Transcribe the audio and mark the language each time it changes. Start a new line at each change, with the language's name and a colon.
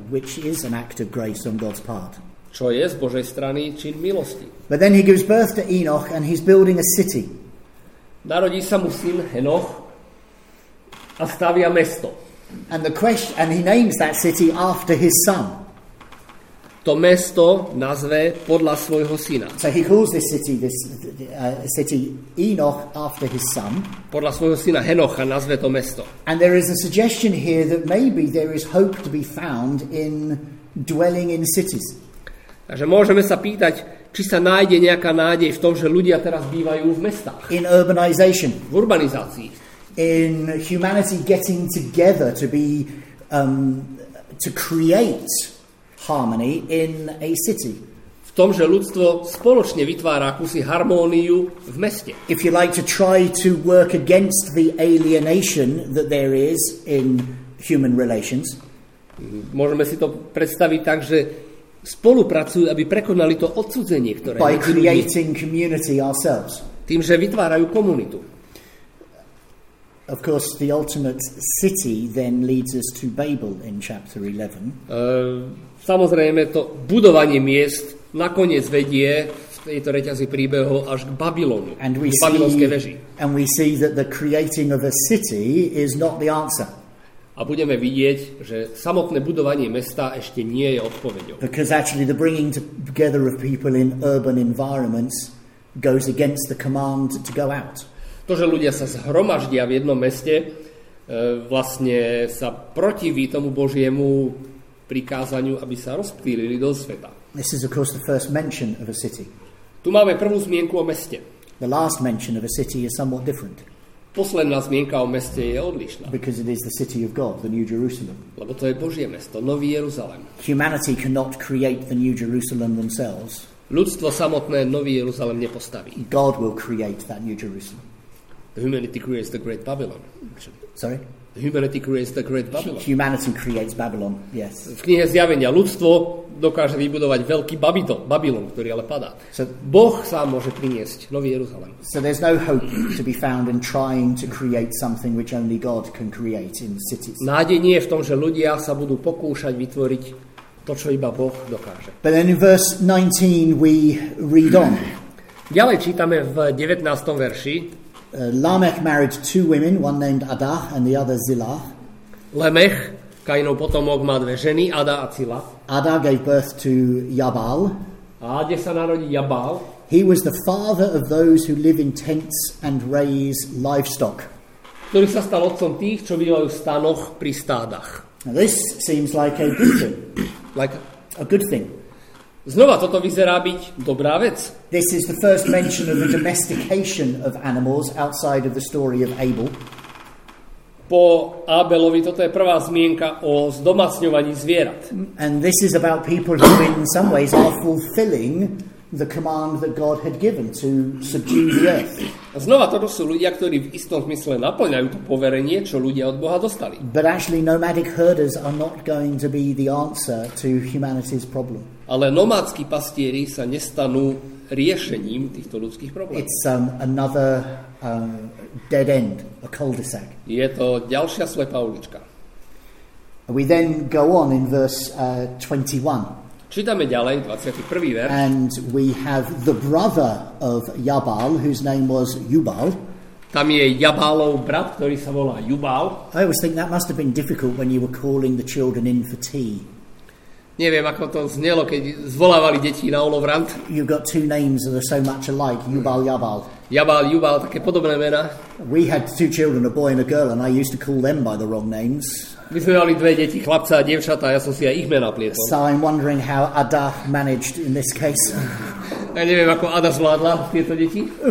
English: Which is an act of grace on God's part.
Slovak: Čo je z Božej strany čin milosti.
English: But then he gives birth to Enoch and he's building a city.
Slovak: Narodí sa mu syn Henoch a stavia mesto.
English: And the question, and he names that city after his son.
Slovak: To mesto nazve podľa svojho syna.
English: So he calls this city city Enoch after his son.
Slovak: Podľa svojho syna Henocha nazve to mesto.
English: And there is a suggestion here that maybe there is hope to be found in dwelling in cities.
Slovak: Takže môžeme sa pýtať, či sa nájde nejaká nádej v tom, že ľudia teraz bývajú v mestách.
English: In urbanization.
Slovak: V urbanizácii.
English: In humanity getting together to be to create harmony in a city.
Slovak: V tom, že ľudstvo spoločne vytvára akúsi harmóniu v meste.
English: If you like to try to work against the alienation that there is in human relations.
Slovak: Môžeme si to predstaviť tak, že spolupracujú, aby prekonali to odsudzenie, ktoré
English: by creating community ourselves.
Slovak: Tým, že vytvárajú komunitu.
English: Of course, the ultimate city then leads us to Babel in chapter 11.
Slovak: Samozrejme, to budovanie miest nakoniec vedie v tejto reťazi príbehov až k Babylonu,
English: and we
Slovak: k babylonskej veži.
English: And we see that the creating of a city is not the answer.
Slovak: A budeme vidieť, že samotné budovanie mesta ešte nie je odpoveďou.
English: Because actually the bringing together of people in urban environments goes against the command to go out.
Slovak: To, že ľudia sa zhromaždia v jednom meste, vlastne sa protiví tomu Božiemu prikázaniu, aby sa rozptýlili do sveta.
English: This is of course the first mention of a city.
Slovak: Tu máme prvú zmienku o meste.
English: The last mention of a city is somewhat different.
Slovak: Posledná zmienka o meste je odlišná.
English: Because it is the city of God, the New Jerusalem.
Slovak: Lebo to je Božie mesto, Nový Jeruzalem.
English: Humanity cannot create the New Jerusalem themselves.
Slovak: Ľudstvo samotné Nový Jeruzalem nepostaví.
English: God will create that New Jerusalem. Humanity creates the Great Babylon. Sorry? Humanity creates the Great Babylon. Humanity creates Babylon, yes.
Slovak: V knihe Zjavenia ľudstvo dokáže vybudovať veľký Babylon, ktorý ale padá. So, Boh sám môže priniesť Nový Jeruzalem.
English: So there's no hope to be found in trying to create something which only God can create in cities.
Slovak: Nádej nie je v tom, že ľudia sa budú pokúšať vytvoriť to, čo iba Boh dokáže.
English: But then in verse 19 we read on.
Slovak: Ďalej čítame v 19. verši.
English: Lamech married two women, one named Adah and the other Zillah.
Slovak: Lamech, Kainov potomok, má dve ženy, Adah a Zillah.
English: Adah gave birth to Jabal.
Slovak: A kde sa narodí Jabal?
English: He was the father of those who live in tents and raise livestock.
Slovak: Ktorý sa stal otcom tých, čo bývajú v stanoch pri stádach.
English: Now this seems like a good thing. Like a good thing.
Slovak: Znova, toto vyzerá byť dobrá vec.
English: This is the first mention of the domestication of animals outside of the story of Abel.
Slovak: Po Abelovi toto je prvá zmienka o zdomácňovaní zvierat.
English: And this is about people who in some ways are fulfilling the command that God had given to subdue the earth.
Slovak: Znova, toto sú ľudia, ktorí v istom zmysle naplňajú to poverenie, čo ľudia od Boha dostali.
English: But actually nomadic herders are not going to be the answer to humanity's problem.
Slovak: Ale nomádski pastieri sa nestanú riešením týchto ľudských problémov.
English: It's another dead end, a cul-de-sac.
Slovak: Je to ďalšia slepá ulička.
English: We then go on in verse 21.
Slovak: Čítame ďalej 21. verš.
English: And we have the brother of Jabal, whose name was Jubal.
Slovak: Tam je Jabalov brat, ktorý sa volá Jubal.
English: I always think that must have been difficult when you were calling the children in for tea.
Slovak: Neviem, ako to znelo, keď zvolávali deti na Olovrant.
English: You've got two names that are so much alike, Jubal, Jabal.
Slovak: Jabal, Jubal, také podobné mená.
English: We had two children, a boy and a girl, and I used to call them by the wrong names.
Slovak: My sme mali dve deti, chlapca a dievčata, a ja som si aj ich mená plietol.
English: So I'm wondering how Adah managed in this case.
Slovak: Ja neviem, ako Ada zvládla tieto deti.